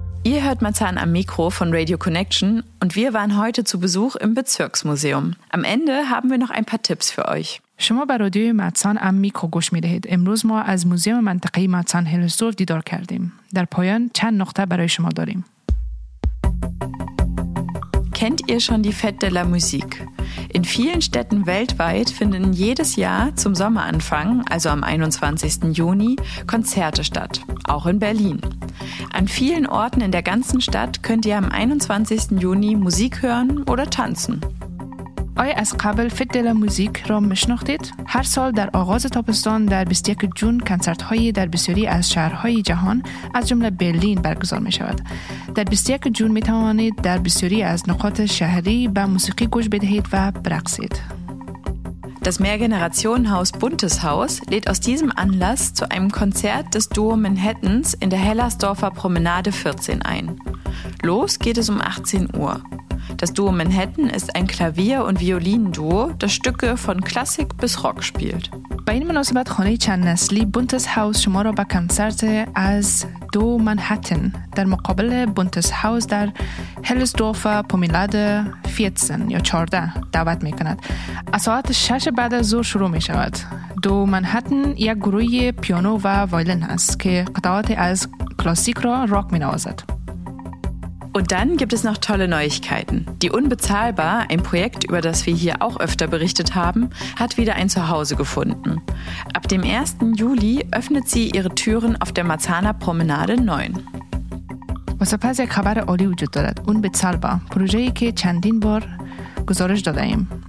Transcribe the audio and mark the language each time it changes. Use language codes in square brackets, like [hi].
[de] Ihr Ihr hört Marzahn am Mikro von Radio Connection und wir waren heute zu Besuch im Bezirksmuseum. Am Ende haben wir noch ein paar Tipps für euch. [fa] شما به رادیوی مدسان ام میکرو گوش میدهید. امروز ما از موزیم منطقه مدسان هلستورف دیدار کردیم. در پایان چند نقطه برای شما داریم. [de] Kennt ihr schon die Fête de la Musique? In vielen Städten weltweit finden jedes Jahr zum Sommeranfang, also am 21. Juni, Konzerte statt, auch in Berlin. An vielen Orten in der ganzen Stadt könnt ihr am 21. Juni Musik hören oder tanzen. [fa] آیا از قبل فت دل موزیک را میشناختید؟ هر سال در آغاز تابستان در 21 جون کنسرت های در بسیاری از شهرهای جهان از جمله برلین برگزار می شود. در 21 جون می توانید در بسیاری از نقاط شهری به موسیقی گوش بدهید و برقصید. [de] Das Mehrgenerationenhaus Buntes Haus lädt aus diesem Anlass zu einem Konzert des Duo Manhattans in der Hellersdorfer Promenade 14 ein. Los geht es um 18 Uhr. Das Duo Manhattan ist ein Klavier- und Violinduo, das Stücke von Klassik bis Rock spielt. Bei einem Anlass [fa] خانه چند نسلی Buntes Haus شما را به کنسرت از دو منهتن در مقابل Buntes Haus در هلسدورفر پومیلاده 14 یا 14 دعوت می کند. از ساعت 6 بعد از ظهر شروع می شود. دو منهتن یک گروه پیانو و وایلن است که قطعات از کلاسیک را راک می نوازد. [de] Und dann gibt es noch tolle Neuigkeiten. Die Unbezahlbar, ein Projekt, über das wir hier auch öfter berichtet haben, hat wieder ein Zuhause gefunden. Ab dem 1. Juli öffnet sie ihre Türen auf der Marzahner Promenade 9. Was ist das für eine Neuigkeit? Unbezahlbar. Ein Projekt, das wir schon ein paar Mal gesagt haben.